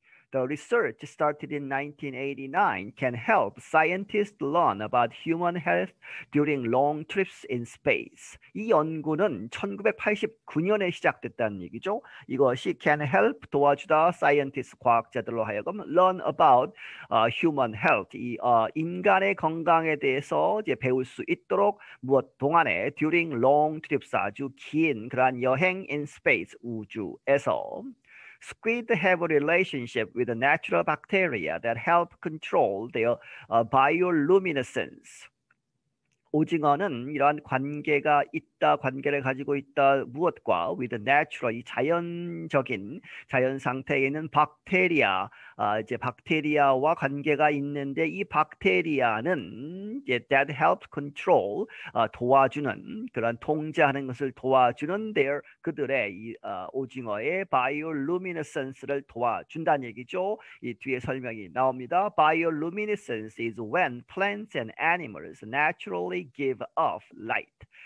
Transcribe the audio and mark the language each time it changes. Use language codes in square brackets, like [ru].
[en] The research started in 1989 can help scientists learn about human health during long trips in space. [ko] 이 연구는 1989년에 시작됐다는 얘기죠. 이것이 [en] can help [ko] 도와주다 [en] scientists [ko] 과학자들로 하여금 [en] learn about human health [ko] 이 인간의 건강에 대해서 이제 배울 수 있도록 무엇 동안에 [en] during long trips [ko] 아주 긴 그러한 여행 [en] in space [ko] 우주에서 [en] Squid have a relationship with natural bacteria that help control their bioluminescence. [ko] 오징어는 이러한 관계가 있다, 관계를 가지고 있다, 무엇과? [en] With natural, [ko] 이 자연적인 자연 상태에 있는 박테리아, 이제 박테리아와 관계가 있는데 이 박테리아는 이제 [en] that helps control, [ko] 도와주는, 그런 통제하는 것을 도와주는 [en] their, [ko] 그들의 이 오징어의 bioluminescence를 도와준다는 얘기죠. 이 뒤에 설명이 나옵니다. [en] Bioluminescence is when plants and animals naturally give off light.